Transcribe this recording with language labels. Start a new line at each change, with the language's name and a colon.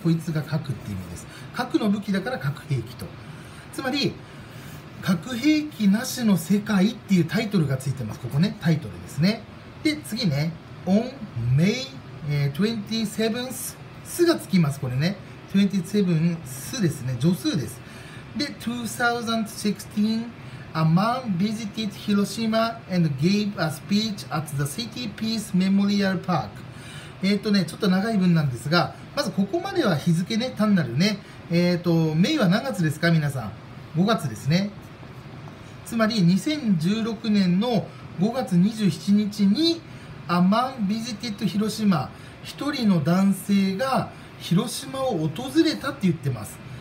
Japanese: こいつが核って意味です。核の武器だから核兵器と。つまり核兵器なしの世界っていうタイトルがついてます。ここね、タイトルですね。で次ね、
English: On May 27th、
Japanese: 数がつきます。これね、27th、 数ですね、助数です。
English: で2016、 A man visited Hiroshima and gave a speech at the City Peace Memorial Park。
Japanese: ちょっと長い文なんですが、まずここまでは日付ね、単なるね、メイは何月ですか、皆さん。 5月ですね。つまり2016年の5月27日に、
English: A man visited Hiroshima、
Japanese: 一人の男性が広島を訪れたって言ってます。